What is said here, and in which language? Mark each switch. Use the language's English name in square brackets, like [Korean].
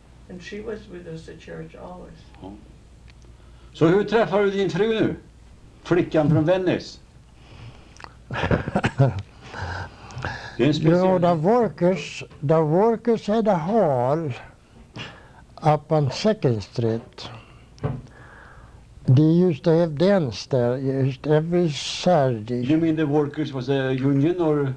[English] And she was with us at church always. [Swedish] Så hur träffar du din fru nu? Flickan från Venice? [English] Jo, the workers had a hall up on Second Street. They used to have dance there used every Saturday. You mean the workers was a union or?